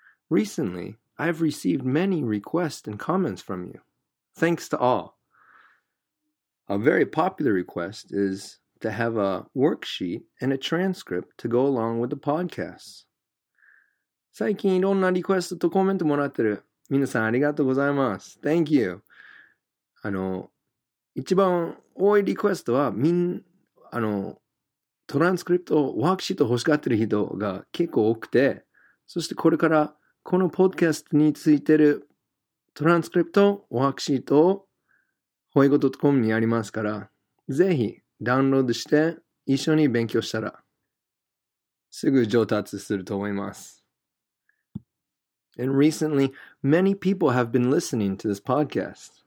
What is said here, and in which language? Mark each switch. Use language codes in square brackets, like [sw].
[en] Recently, I have received many requests and comments from you. Thanks to all. A very popular request is to have a worksheet and a transcript to go along with the podcasts. [ja] 最近いろんなリクエストとコメントもらってる。皆さんありがとうございます。 [en] Thank you. [ja] 一番多いリクエストはトランスクリプト、ワークシート欲しがってる人が結構多くて、そしてこれからこのポッドキャストについてるトランスクリプト、ワークシートをホイゴドットコムにありますから、ぜひダウンロードして一緒に勉強したらすぐ上達すると思います。 [en] And recently, many people have been listening to this podcast.